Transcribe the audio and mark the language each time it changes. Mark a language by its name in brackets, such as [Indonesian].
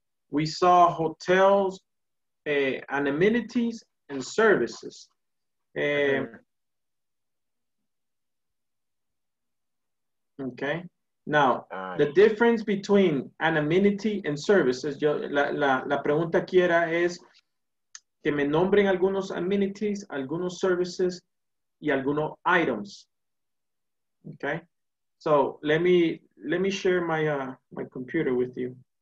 [English] We saw hotels, and amenities and services. Mm-hmm. Okay. Now, the difference between an amenity and services. [Spanish] Yo, la pregunta aquí era es que me nombren algunos amenities, algunos services, y algunos items. [English] Okay. So let me share my computer with you.